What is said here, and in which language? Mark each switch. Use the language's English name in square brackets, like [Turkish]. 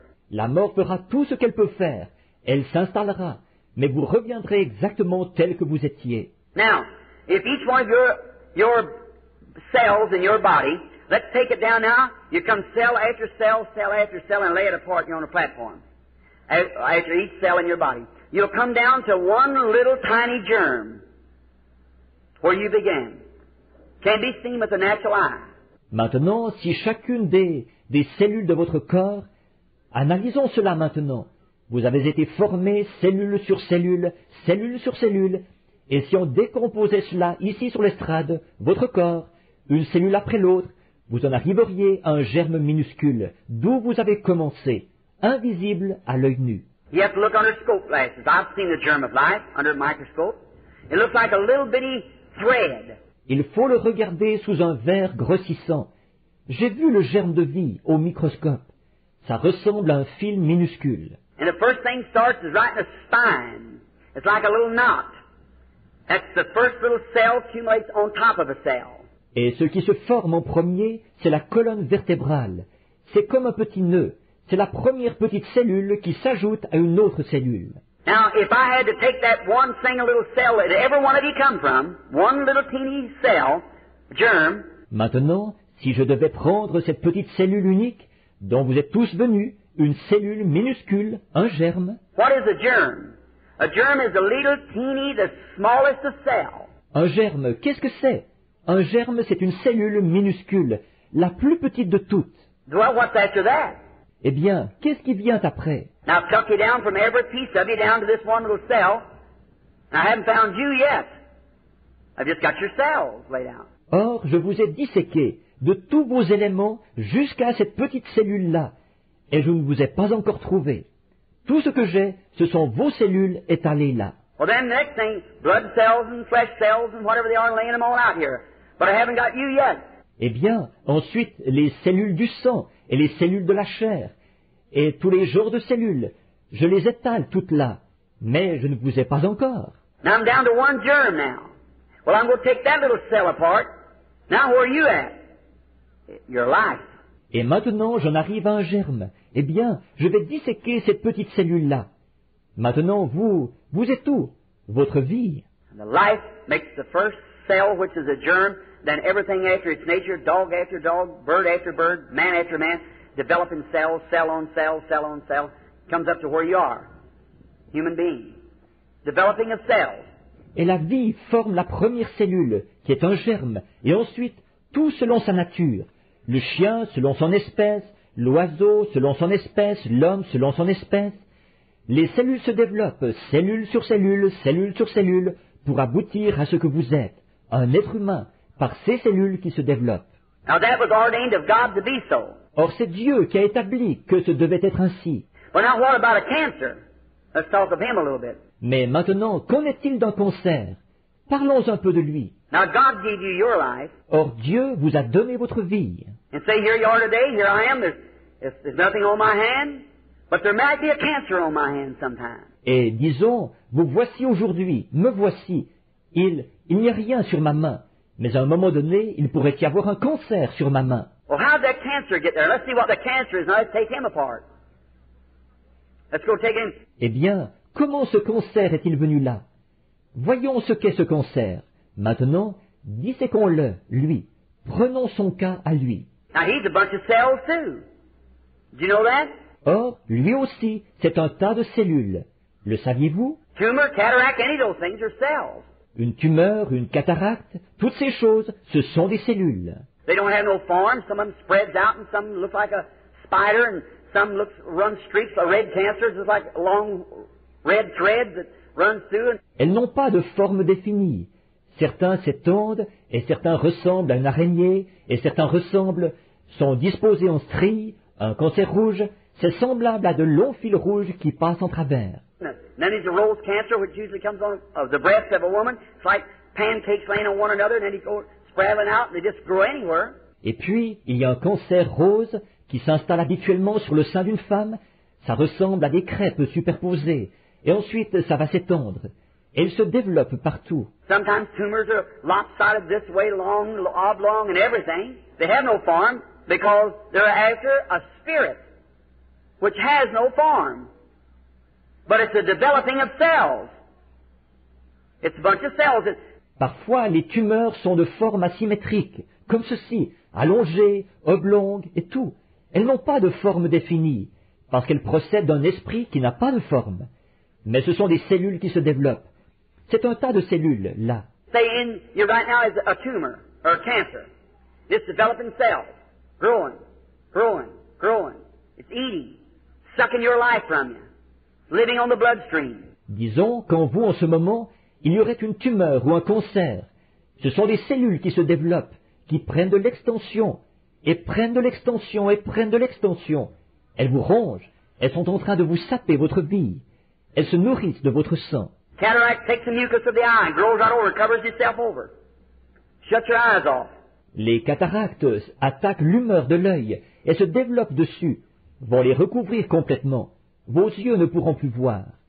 [French] La mort fera tout ce qu'elle peut faire. Elle s'installera, mais vous reviendrez exactement tel que vous étiez. [English] Now, if each one of your cells in your body, let's take it down now, you come cell after cell, and lay it apart on a platform, after each cell in your body. You'll come down to one little tiny germ where you began. Can't be seen with the natural eye. [French] Maintenant, si chacune des cellules de votre corps, analysons cela maintenant. Vous avez été formé cellule sur cellule, cellule sur cellule, et si on décomposait cela ici sur l'estrade, votre corps, une cellule après l'autre, vous en arriveriez à un germe minuscule, d'où vous avez commencé, invisible à l'œil nu. [English] You have to look under scope glasses. I've seen the germ of life under a microscope. It looks like a little bitty thread. [French] Il faut le regarder sous un verre grossissant. J'ai vu le germe de vie au microscope. Ça ressemble à un fil minuscule. [English] And the first thing starts is right in the spine. It's like a little knot. That's the first little cell accumulates on top of a cell. [French] Et ce qui se forme en premier, c'est la colonne vertébrale. C'est comme un petit nœud. C'est la première petite cellule qui s'ajoute à une autre cellule. [English] Now, if I had to take that one single little cell that every one of you come from, one little teeny cell, germ. [French] Maintenant, si je devais prendre cette petite cellule unique dont vous êtes tous venus, une cellule minuscule, un germe. [English] What is a germ? A germ is a little teeny, the smallest of cells. [French] Un germe, qu'est-ce que c'est? Un germe, c'est une cellule minuscule, la plus petite de toutes. [English] Well, what's after that? [French] Eh bien, qu'est-ce qui vient après? [English] Now, I've tucked you down from every piece of you down to this one little cell. I haven't found you yet. I've just got your cells laid out. [French] Or, je vous ai disséqué de tous vos éléments jusqu'à cette petite cellule-là. Et je ne vous ai pas encore trouvé. Tout ce que j'ai, ce sont vos cellules étalées là. [English] Well, then the next thing, blood cells and flesh cells and whatever they are, laying them all out here. But I haven't got you yet. [French] Eh bien, ensuite, les cellules du sang et les cellules de la chair et tous les genres de cellules, je les étale toutes là, mais je ne vous ai pas encore. [English] Now I'm down to one germ now. Well, I'm going to take that little cell apart. Now where are you at? Your life. [French] Et maintenant, j'en arrive à un germe. Eh bien, je vais disséquer cette petite cellule-là. Maintenant, vous êtes où? Votre vie. [English] The life makes the first cell, which is a germ, then everything after its nature, dog after dog, bird after bird, man after man, developing cells, cell on cell, cell on cell, comes up to where you are, human being, developing of cells. [French] Et la vie forme la première cellule, qui est un germe, et ensuite, tout selon sa nature. Le chien selon son espèce, l'oiseau selon son espèce, l'homme selon son espèce. Les cellules se développent, cellule sur cellule, pour aboutir à ce que vous êtes, un être humain, par ces cellules qui se développent. [English] Now that was ordained of God to be so. [French] Or c'est Dieu qui a établi que ce devait être ainsi. [English] Well, now what about a cancer? Let's talk of him a little bit. [French] Mais maintenant, qu'en est-il d'un cancer? Parlons un peu de lui. [English] Now God gave you your life. [French] Or Dieu vous a donné votre vie. [English] And say here you are today, here I am, there's nothing on my hand, but there might be a cancer on my hand sometime. [French] Et disons, vous voici aujourd'hui, me voici, il n'y a rien sur ma main, mais à un moment donné, il pourrait y avoir un cancer sur ma main. [English] Well, how did that cancer get there? Let's see what the cancer is, now let's take him apart. Let's go take him. [French] Eh bien, comment ce cancer est-il venu là? Voyons ce qu'est ce cancer. Maintenant, disséquons-le, lui. Prenons son cas à lui. [English] Now he's a bunch of cells too. Do you know that? [French] Or, lui aussi, c'est un tas de cellules. Le saviez-vous? [English] Tumor, cataract, any of those things are cells. [French] Une tumeur, une cataracte, toutes ces choses, ce sont des cellules. [English] They don't have no form. Some of them spreads out, and some look like a spider, and some looks run streaks. A red cancer is like long red threads that run through. [French] Elles n'ont pas de forme définie. Certains s'étendent, et certains ressemblent à une araignée, et certains ressemblent, sont disposés en stries, un cancer rouge. C'est semblable à de longs fils rouges qui passent en travers. [English] Then there's a rose cancer, which usually comes on the breast of a woman. It's like pancakes laying on one another, and then you go spraying out, and they just grow anywhere. [French] Et puis, il y a un cancer rose qui s'installe habituellement sur le sein d'une femme. Ça ressemble à des crêpes superposées. Et ensuite, ça va s'étendre. Et il se développe partout. [English] Sometimes tumors are lopsided this way, long, oblong, and everything. They have no form, because they're after a spirit. Which has no form, but it's a developing of cells. It's a bunch of cells. [French] Parfois, les tumeurs sont de forme asymétrique, comme ceci, allongées, oblongues et tout. Elles n'ont pas de forme définie, parce qu'elles procèdent d'un esprit qui n'a pas de forme. Mais ce sont des cellules qui se développent. C'est un tas de cellules, là. [English] Say in you right now is a tumor or a cancer. It's developing cells, growing, growing, growing. It's eating. Sucking your life from you, living on the bloodstream. [French] Disons qu'en vous, en ce moment, il y aurait une tumeur ou un cancer. Ce sont des cellules qui se développent, qui prennent de l'extension, et prennent de l'extension, et prennent de l'extension. Elles vous rongent. Elles sont en train de vous saper votre vie. Elles se nourrissent de votre sang. [English] Cataract takes the mucus of the eye and grows out over, covers itself over. Shut your eyes off. [French] Les cataractes attaquent l'humeur de l'œil et se développent dessus. Vont les recouvrir complètement. Vos yeux ne pourront plus voir.